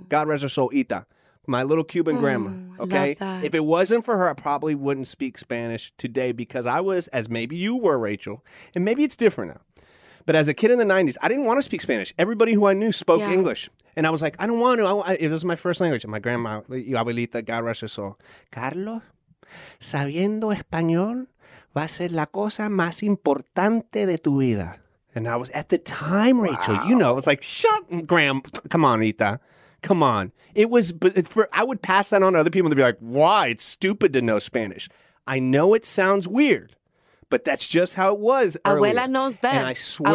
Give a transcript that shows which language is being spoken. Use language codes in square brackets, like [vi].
[en] God rest her soul, Ita. My little Cuban grandma, okay? If it wasn't for her, I probably wouldn't speak Spanish today, because I was, as maybe you were, Rachel, and maybe it's different now. But as a kid in the 90s, I didn't want to speak Spanish. Everybody who I knew spoke English. And I was like, I don't want to. If this is my first language. And my grandma, abuelita, God rest her soul. [es] Carlos, sabiendo español, va a ser la cosa más importante de tu vida. [en] And I was, at the time, Rachel, you know, it's like, shut, Graham. Come on, Ita. Come on. It was, I would pass that on to other people to be like, why? It's stupid to know Spanish. I know it sounds weird, but that's just how it was earlier. Abuela knows best. And I swear.